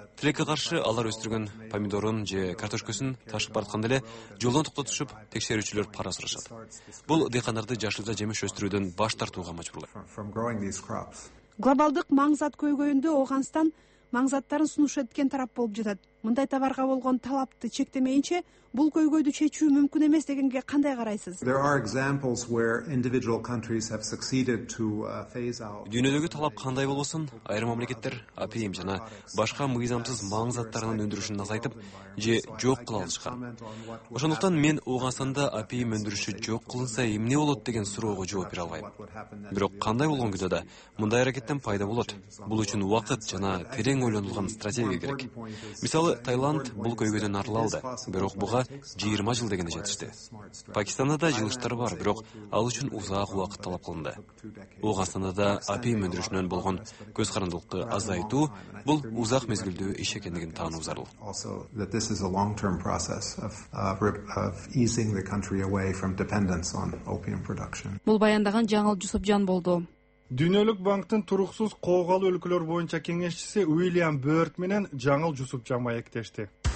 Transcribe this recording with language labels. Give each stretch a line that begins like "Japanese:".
Kyrgyz: Тилекке каршы, алар өстүргөн помидорун же картошкасын ташып баратканда эле жолдон токтотушуп, текшерүүчүлөр пара сурашат. Бул дыйкандарды жашылча жемиш өстүрүүдөн баш тартууга мажбурлайт. Глобалдык маңзат көйгөйүндө Ооганстан маңзаттарын сунуш эткен тарап болуп жатат. мындай товарга болгон талапты чектемейинче бул көйгөйдү чечүү мүмкүн эмес дегенге кандай карайсыз?
English: There are examples where individual countries have succeeded to phase out.
Kyrgyz: Дүйнөдөгү талап кандай болбосун, айрым мамлекеттер АПМ жана башка мыйзамсыз маңыз заттарынын өндүрүшүн азайтып же жок кыла алышкан. Ошондуктан мен Ооганстанда АПМ өндүрүшү жок кылынса эмне болот деген суроого жооп бере албайм. Бирок кандай болгон күйдө да мындай аракеттен пайда болот. Бул үчүн убакыт жана терең ойлонулган стратегия керек. Мисалы, Таиланд бул көйгөйдөн арыла алды, бирок буга 20 жыл дегенде жетишти. Пакистанда да жылыштар бар, бирок ал үчүн узак убакыт талап кылынды. Ооганстанда да АПМ өндүрүшүнөн болгон көз карандылыкты азайтуу бул узак мезгилдүү иш экендигин таануу зарыл.
English: That this is a long-term process of easing the country away from dependence on opium production.
Kyrgyz: Бул баяндаган Жаңыл Жусупжан болду. Дүйнөлүк банктын туруксуз коогалуу өлкөлөр боюнча кеңешчиси Уильям Бёрд менен Жаңыл Жусупжан маектешти.